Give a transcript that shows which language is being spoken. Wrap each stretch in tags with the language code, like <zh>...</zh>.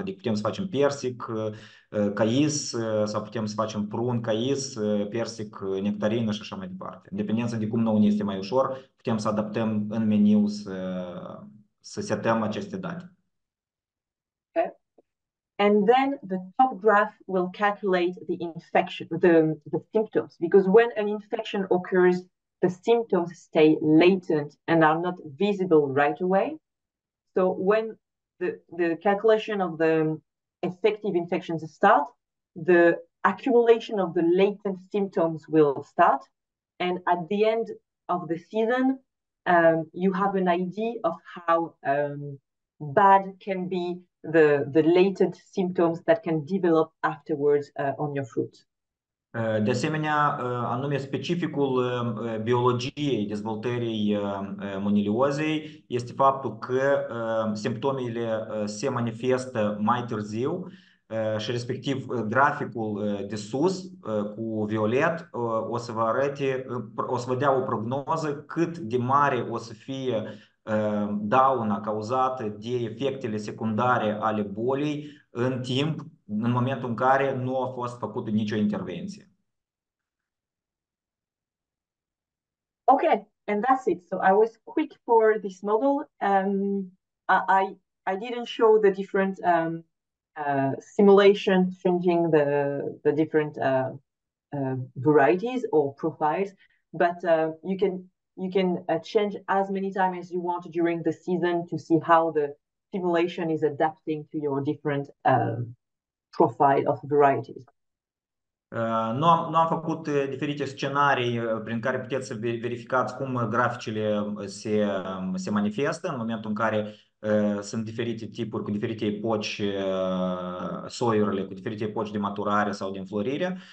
<ro>Adică putem să facem persic, cais, sau putem să facem prun, cais, persic, nectarină și așa mai departe. În dependență de cum nouă ne este mai ușor, putem să adaptăm în meniu să setăm aceste date.</ro> <en>Okay. And then the top graph will calculate the infection, the symptoms, because when an infection occurs, the symptoms stay latent and are not visible right away. So when the calculation of the effective infections start, the accumulation of the latent symptoms will start. And at the end of the season, you have an idea of how bad can be the latent symptoms that can develop afterwards on your fruit.</en> <ro>De asemenea, anume specificul biologiei dezvoltării moniliozei este faptul că simptomele se manifestă mai târziu și respectiv graficul de sus cu violet o să vă arate, o să vă dea o prognoză cât de mare o să fie dauna cauzată de efectele secundare ale bolii în timp, în momentul în care nu a fost făcută nicio intervenție.</ro> <en>Okay, and that's it. So I was quick for this model. I didn't show the different simulation changing the different varieties or profiles, but you can change as many times as you want during the season to see how the simulation is adapting to your different profile of varieties.</en> <ro>Nu am făcut diferite scenarii prin care puteți să verificați cum graficele se manifestă în momentul în care sunt diferite tipuri cu diferite epoci, soiurile cu diferite epoci de maturare sau de înflorire.</ro>